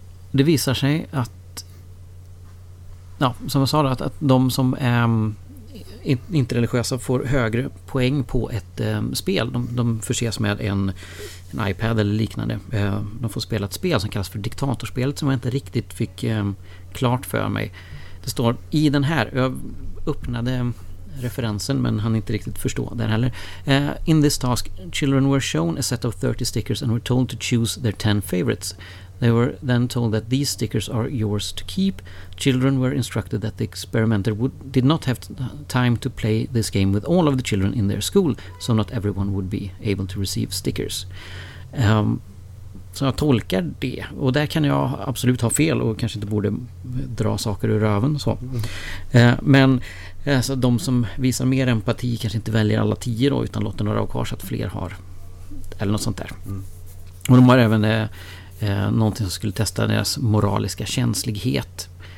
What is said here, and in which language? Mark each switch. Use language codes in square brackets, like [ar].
[sv] Det visar sig att, ja, som jag sa då, att de som är inte religiösa får högre poäng på ett spel. De förses med en iPad eller liknande. De får spela ett spel som kallas för diktatorspelet, som jag inte riktigt fick klart för mig. Det står i den här, jag öppnade referensen men hann inte riktigt förstå den heller. [en] In this task, children were shown a set of 30 stickers and were told to choose their 10 favorites. They were then told that these stickers are yours to keep. Children were instructed that the experimenter did not have time to play this game with all of the children in their school, so not everyone would be able to receive stickers. [sv] Så jag tolkar det, och där kan jag absolut ha fel och kanske inte borde dra saker ur röven så. Men de som visar mer empati kanske inte väljer alla 10 då, utan låter några av kvar så att fler har, eller något sånt där. Och de har även någonting som skulle testa deras moraliska känslighet.